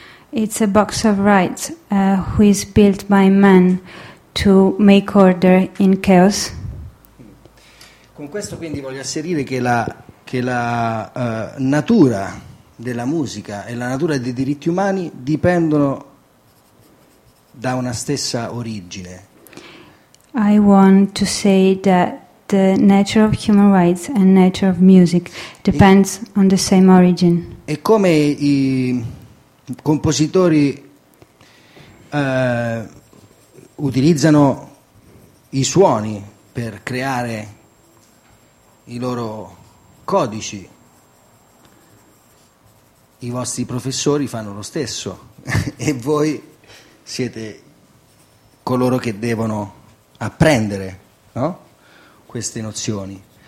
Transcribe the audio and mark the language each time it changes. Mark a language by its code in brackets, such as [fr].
[en] It's a box of rights who is built by man to make order in chaos. [it] Con questo quindi voglio asserire che la natura della musica e la natura dei diritti umani dipendono da una stessa origine. [en] I want to say that the nature of human rights and nature of music depends on the same origin. [it] E come i compositori utilizzano i suoni per creare i loro codici, i vostri professori fanno lo stesso e voi siete coloro che devono apprendere, no? Queste nozioni.